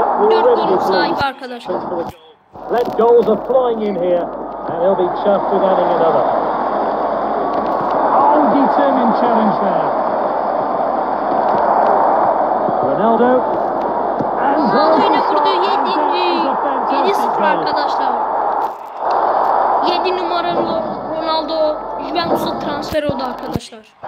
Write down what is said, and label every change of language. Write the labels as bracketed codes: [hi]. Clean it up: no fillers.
[tr] 4 golün sahibi arkadaşlar. [en] Let goals are flying in here and he'll be chuffed with adding another. Oh, determined challenge there. Ronaldo. [tr] Ronaldo yine vurdu, 7-0 arkadaşlar. 7 numaralı Ronaldo Juventus'a transfer oldu arkadaşlar.